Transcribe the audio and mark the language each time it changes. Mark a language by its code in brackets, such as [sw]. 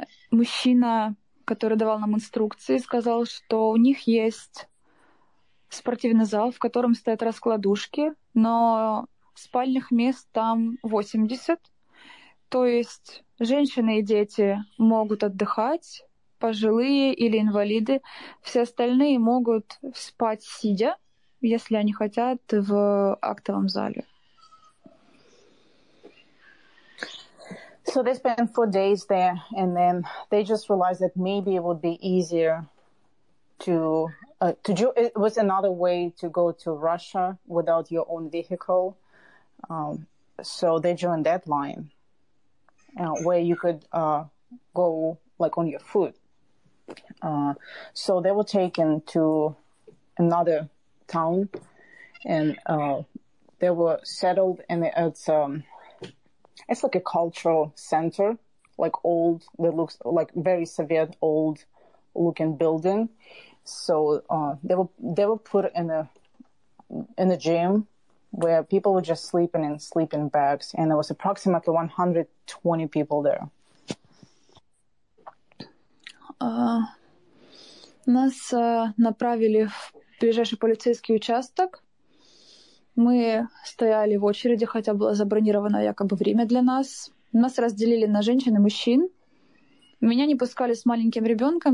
[ru] Мужчина, который давал нам инструкции, сказал, что у них есть спортивный зал, в котором стоят раскладушки, но спальных мест там 80. То есть женщины и дети могут отдыхать, пожилые или инвалиды. Все остальные могут спать сидя, если они хотят, в актовом зале. [en] So they spent 4 days there, and then they just realized that maybe it would be easier to do. It was another way to go to Russia without your own vehicle. So they joined that line, where you could go like on your foot. So they were taken to another town, and they were settled in it's like a cultural center, like old, that looks like very Soviet old looking building. So they were put in a gym where people were just sleeping in sleeping bags, and there was approximately 120 people there. [ru] Нас направили в ближайший полицейский участок. Мы стояли в очереди, хотя было забронировано якобы время для нас. Нас разделили на женщин и мужчин. Меня не пускали с маленьким ребенком.